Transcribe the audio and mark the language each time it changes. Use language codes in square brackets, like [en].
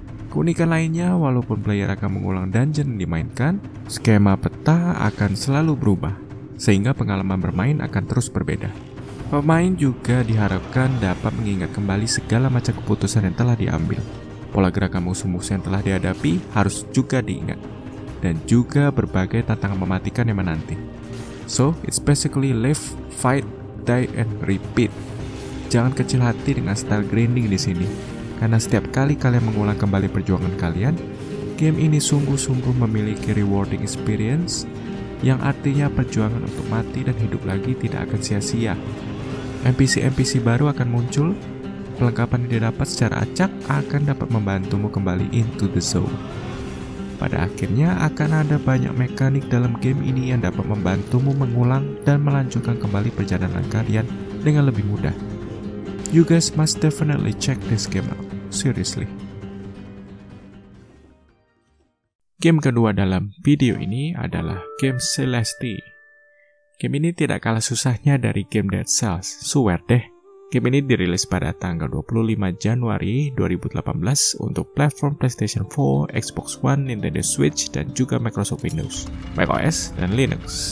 [id] Keunikan lainnya, walaupun player akan mengulang dungeon yang dimainkan, skema peta akan selalu berubah, sehingga pengalaman bermain akan terus berbeda. Pemain juga diharapkan dapat mengingat kembali segala macam keputusan yang telah diambil. Pola gerakan musuh-musuh yang telah dihadapi harus juga diingat. Dan juga berbagai tantangan mematikan yang menanti. [en] So, it's basically live, fight, die, and repeat. [id] Jangan kecil hati dengan style grinding di sini. Karena setiap kali kalian mengulang kembali perjuangan kalian, game ini sungguh-sungguh memiliki [en] rewarding experience, [id] yang artinya perjuangan untuk mati dan hidup lagi tidak akan sia-sia. NPC-NPC baru akan muncul, perlengkapan yang didapat secara acak akan dapat membantumu kembali [en] into the zone. [id] Pada akhirnya akan ada banyak mekanik dalam game ini yang dapat membantumu mengulang dan melanjutkan kembali perjalanan kalian dengan lebih mudah. [en] You guys must definitely check this game out, seriously. [id] Game kedua dalam video ini adalah game Celeste. Game ini tidak kalah susahnya dari game Dead Cells, suwer deh. Game ini dirilis pada tanggal 25 Januari 2018 untuk platform PlayStation 4, Xbox One, Nintendo Switch, dan juga Microsoft Windows, macOS, dan Linux.